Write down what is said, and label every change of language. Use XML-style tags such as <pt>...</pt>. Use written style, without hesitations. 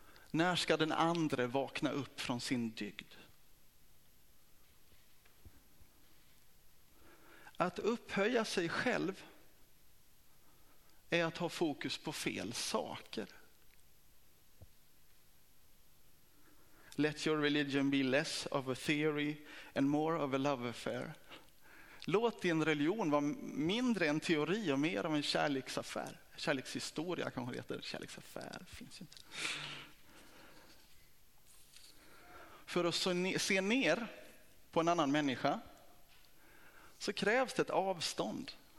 <sv>När ska den andra vakna upp från sin dygd? Att upphöja sig själv är att ha fokus på fel saker.</sv> <en>Let your religion be less of a theory and more of a love affair.</en> <sv>Låt din religion vara mindre en teori och mer av en kärleksaffär. Kärlekshistoria kanske heter, kärleksaffär finns inte. För att se ner på en annan människa så krävs det ett avstånd.</sv>